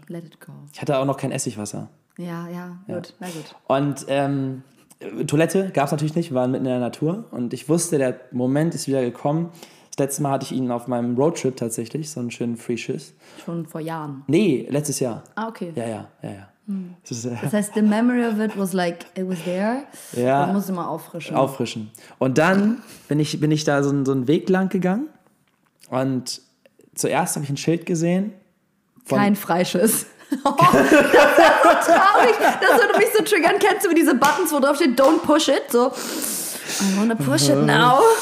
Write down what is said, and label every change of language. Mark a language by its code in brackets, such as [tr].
[en] Let it go. [de] Ich hatte auch noch kein Essigwasser. Ja, gut, na gut. Und Toilette gab es natürlich nicht, wir waren mitten in der Natur. Und ich wusste, der Moment ist wieder gekommen. Das letzte Mal hatte ich ihn auf meinem Roadtrip tatsächlich, so einen schönen Free Schiss. Schon vor Jahren? Nee, letztes Jahr. Ah, okay. Ja. Das heißt, [en] the memory of it was like, it was there. [de] Ja. Man muss immer auffrischen. Auffrischen. Und dann bin ich da so einen Weg lang gegangen und zuerst habe ich ein Schild gesehen. Kein Freischiss. Das wäre so traurig. Das würde mich so triggern. Kennst du diese Buttons, wo drauf steht, [en] don't push it? So, I wanna push it now.